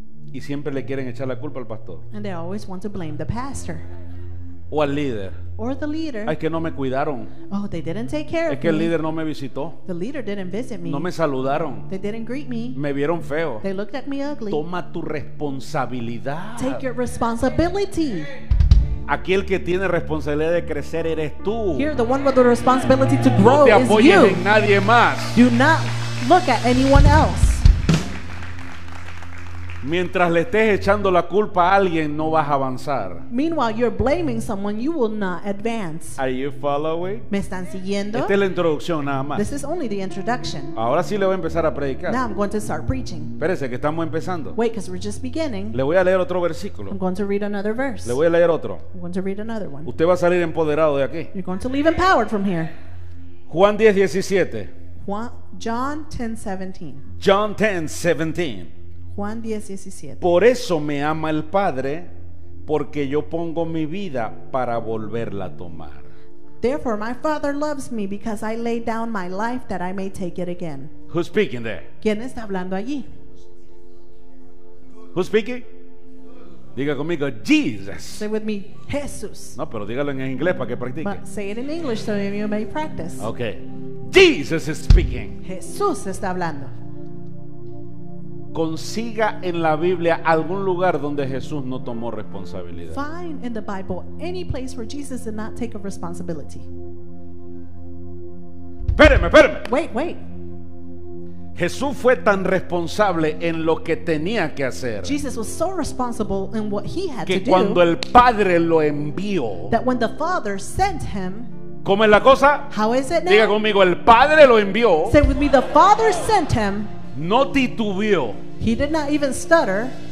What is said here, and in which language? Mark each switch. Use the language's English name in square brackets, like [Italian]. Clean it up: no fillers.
[Spanish] y siempre le quieren echar la culpa al pastor. [English] And they always want to blame the pastor. [Spanish] O al líder. [English] Or the leader. [Spanish] Ay, que no me cuidaron. [English] Oh, they didn't take care of me. [Spanish] El líder no me visitó. [English] The leader didn't visit me. [Spanish] No me saludaron. [English] They didn't greet me. [Spanish] Me vieron feo. [English] They looked at me ugly. [Spanish] Toma tu responsabilidad. [English] Take your responsibility. [Spanish] Aquí el que tiene responsabilidad de crecer eres tú. [English] Here, the one with the responsibility to grow is you. [Spanish] No te apoyes en nadie más. [English] Do not look at anyone else. [Spanish] Mientras le estés echando la culpa a alguien, no vas a avanzar. [English] Meanwhile, you're blaming someone, you will not advance. Are you following? [Spanish] ¿Me están siguiendo? Esta es la introducción nada más. [English] This is only the introduction. [Spanish] Ahora sí le voy a empezar a predicar. [English] Now I'm going to start preaching. [Spanish] Espérese, que estamos empezando. [English] Wait, because we're just beginning. [Spanish] Le voy a leer otro versículo. [English] I'm going to read another verse. [Spanish] Le voy a leer otro. [English] I'm going to read another one. [Spanish] Usted va a salir empoderado de aquí. [English] You're going to leave empowered from here. [Spanish] Juan 10, 17. [English] John 10, 17. John 10, 17. [Spanish] Juan 10, 17. Por eso me ama el Padre, porque yo pongo mi vida para volverla a tomar. [English] Therefore, my Father loves me because I lay down my life that I may take it again. Who's speaking there? [Spanish] ¿Quién está hablando allí? [English] Who's speaking? [Spanish] Diga conmigo, Jesus. [English] Say with me, Jesús. [Spanish] No, pero dígalo en inglés para que practique. [English] But say it in English so you may practice. Okay. Jesus is speaking. [Spanish] Jesús está hablando. Consiga en la Biblia algún lugar donde Jesús no tomó responsabilidad. [English] Find in the Bible any place where Jesus did not take a responsibility. [Spanish] Espéreme, espéreme. [English] Wait, wait. [Spanish] Jesús fue tan responsable en lo que tenía que hacer. [English] Jesus was so responsible in what he had to do. [Spanish] Que cuando el Padre lo envió. [English] That when the Father sent him. [Spanish] ¿Cómo es la cosa? [English] How is it now? [Spanish] Diga conmigo, el Padre lo envió. [English] Say with me, the Father sent him. [Spanish] No titubeó. [English] He did not even stutter.